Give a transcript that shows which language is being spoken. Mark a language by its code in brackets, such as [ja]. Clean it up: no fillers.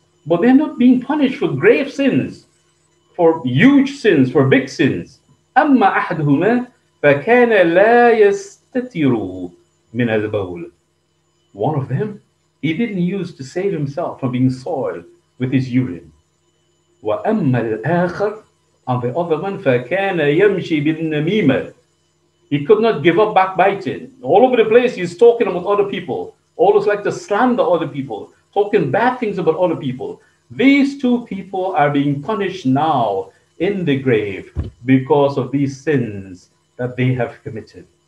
[en] But they're not being punished for grave sins, for huge sins, for big sins. [ar] أَمَّا أَحَدْهُمَا فَكَانَ لَا يَسْتَتِرُ مِنَ الْبَوْلِ. [en] One of them, he didn't use to save himself from being soiled with his urine. [ar] وَأَمَّا الْآخَرُ. [en] And the other one, [ar] فَكَانَ يَمْشِي بِالنَّمِيمَةِ. [en] He could not give up backbiting. All over the place, he's talking about other people. Always like to slander other people, talking bad things about other people. These two people are being punished now in the grave because of these sins that they have committed.